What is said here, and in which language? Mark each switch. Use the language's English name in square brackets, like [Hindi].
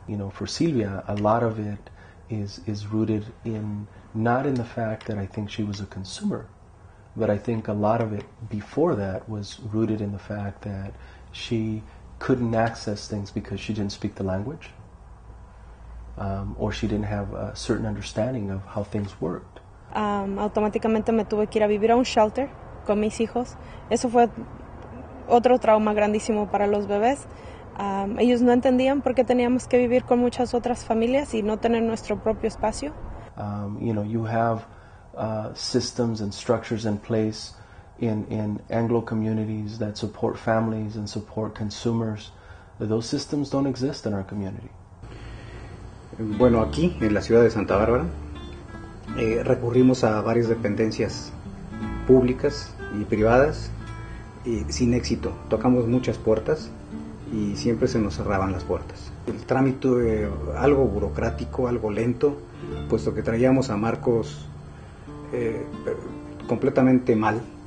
[English] You know, for Silvia, a lot of it is rooted in not in the fact that I think she was a consumer, but I think a lot of it before that was rooted in the fact that she couldn't access things because she didn't speak the language. Or she didn't have a certain understanding of how things worked. [Spanish] Automáticamente me tuve que ir a vivir a un shelter con mis hijos. Eso fue otro trauma grandísimo para los bebés. Ellos no entendían por qué teníamos que vivir con muchas otras familias y no tener nuestro propio espacio. [English] You know, you have systems and structures in place in Anglo communities that support families and support consumers. Those systems don't exist in our community. [Spanish] Bueno, aquí en la ciudad de Santa Bárbara recurrimos a varias dependencias públicas y privadas y sin éxito. Tocamos muchas puertas y siempre se nos cerraban las puertas. el trámite algo burocrático, algo lento, puesto que traíamos a Marcos completamente mal,